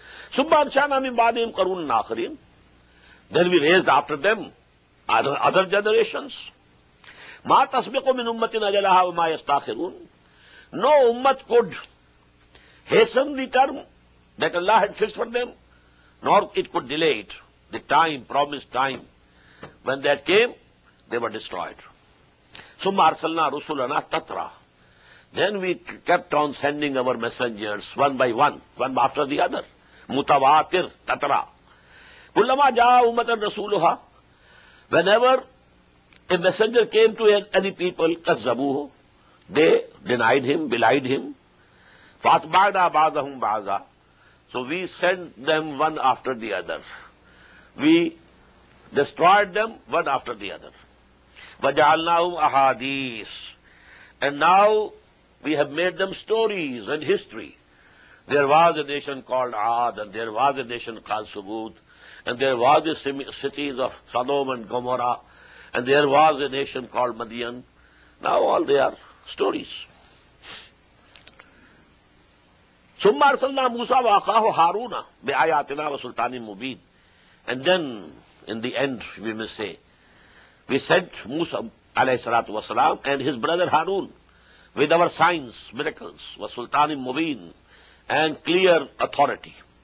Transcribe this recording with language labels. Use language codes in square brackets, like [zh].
[ar] ثم انشانا من بعدهم قرون آخرين. [en] Then we raised after them other generations. [ar] ما تسبق من أمة أجلها وما يستأخرون. [en] No ummat could hasten the term that Allah had fixed for them, nor it could delay it, the time, promised time. When that came, they were destroyed. [ar] ثم أرسلنا رسلنا تترى. [en] Then we kept on sending our messengers one by one, one after the other. [ar] متواتر تترى. كلما جاء أمة رسولها, [en] whenever a messenger came to any people, [ar] كذبوه, [en] they denied him, belied him. [ar] فأتبعنا بعضهم بعضا. [en] So we sent them one after the other. We destroyed them one after the other. [ar] وجعلناهم أحاديث. [en] And now we have made them stories and history. There was a nation called Aad, and there was a nation called Subud, and there was the cities of Sodom and Gomorrah, and there was a nation called Madian. Now all they are stories. [ar] ثم أرسلنا موسى وأخاه هارون بآياتنا وسلطان مبين. [en] And then, in the end, we may say, we sent Musa [ar] عليه الصلاة والسلام [en] and his brother Harun with our signs, miracles, [ar] وسلطان مبين [en] and clear authority.